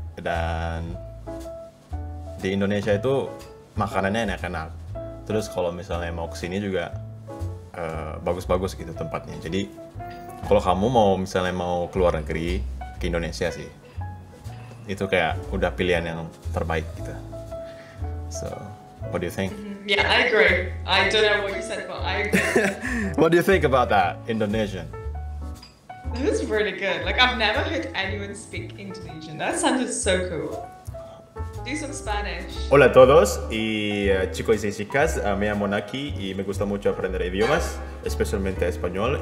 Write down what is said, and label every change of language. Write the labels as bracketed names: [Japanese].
[Indonesian] Dan di Indonesia itu makanannya enak-enak. Terus kalau misalnya mau kesini juga bagus-bagus gitu tempatnya. Jadi kalau kamu mau misalnya mau keluar negeri ke Indonesia sih, itu kayak udah pilihan yang terbaik gitu. [English] So, what do you think? Yeah, I agree. I don't know what you said, but I agree. What do you think about that, Indonesian? That was really good. Like, I've never heard anyone speak Indonesian. That sounded so cool. do some Spanish. [Spanish] Hola a todos y chicos y chicas, me llamo Naki y me gusta mucho aprender idiomas, especialmente español.